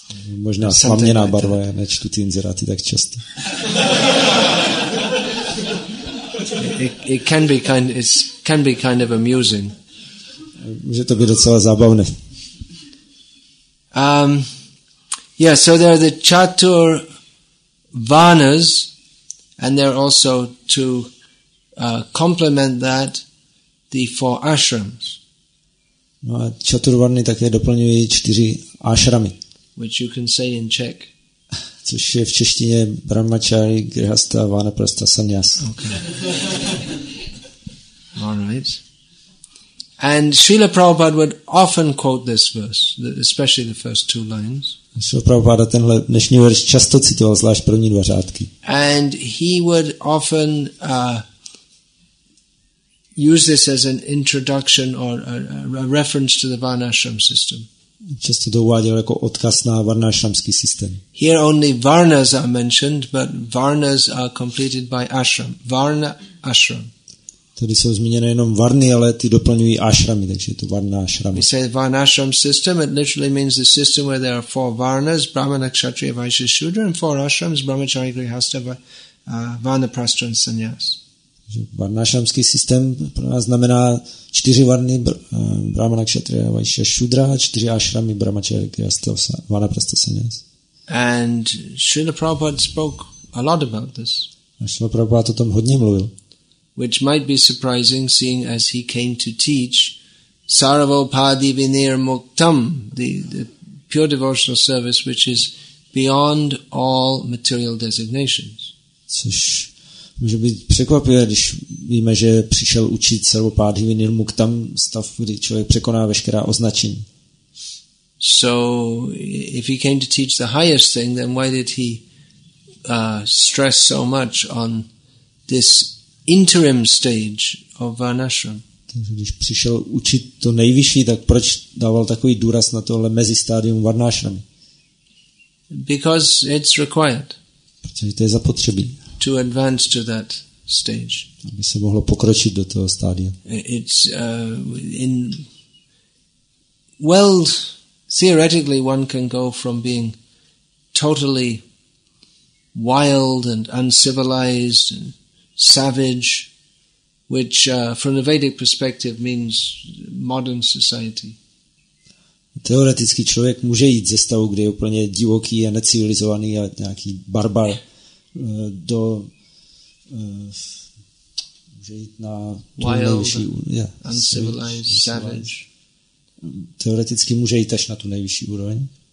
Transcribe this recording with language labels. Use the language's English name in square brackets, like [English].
[Czech] Možná slaměná barva, já nečtu ty inzeráty tak často. [English] It can be kind of amusing. [Czech] Může to být docela zábavné. [English] So there are the chatur varnas, and there are also to complement that the four ashrams. [Czech] No a chatur varny také doplňují čtyři ashramy. [English] Which you can say in Czech. [Czech] Což je v češtině brahmachari, grihastha, vanaprastha, sannyas. [English] Okay. All right. And Srila Prabhupada would often quote this verse, especially the first two lines. [Czech] Srila Prabhupada tenhle dnešní verš často citoval, zvlášť první dva řádky. [English] And he would often use this as an introduction or a reference to the varnashram system. [Czech] Často to uváděl jako odkaz na varnashramský systém. [English] Here only varnas are mentioned, but varnas are completed by ashram. Varna ashram. [Czech] Tady jsou zmíněny jenom varny, ale ty doplňují ashramy, takže je to varna ashrama. [English] We say varna ashram system, it literally means the system where there are four varnas, brahmana, kshatriya, vaishya, shudra, and four ashrams, brahmachari, grihastha, vanaprastha and sannyas. [Czech] Varna ashramský systém pro nás znamená čtyři varny, brahmana, kshatriya, vaishya, shudra, a čtyři ashramy, brahmachari, grihastha, vanaprastha, sannyas. [English] And Srila Prabhupada spoke a lot about this. [Czech] A Srila Prabhupada o tom hodně mluvil. [English] Which might be surprising, seeing as he came to teach Sarvopadi Vinir Muktam, the pure devotional service, which is beyond all material designations. [Czech] Což může být překvapivé, když víme, že přišel učit Sarvopadi Vinir Muktam, stav, kdy člověk překoná veškerá označení. [English] So, if he came to teach the highest thing, then why did he stress so much on this interim stage of varnashram. [Czech] Takže když přišel učit to nejvyšší, tak proč dával takový důraz na tohle mezi stádium varnashramy? [English] Because it's required. [Czech] Protože to je zapotřebí. [English] To advance to that stage. [Czech] Aby se mohlo pokročit do toho stádia. [English] It's in well, theoretically one can go from being totally wild and uncivilized and savage which from the Vedic perspective means modern society. [Czech] Teoreticky člověk může jít ze stavu, kde je úplně divoký a necivilizovaný a nějaký barbar, do může jít na nejvyšší úroveň. [English] Uncivilized, savage. [Czech] Teoreticky může jít až na tu nejvyšší úroveň.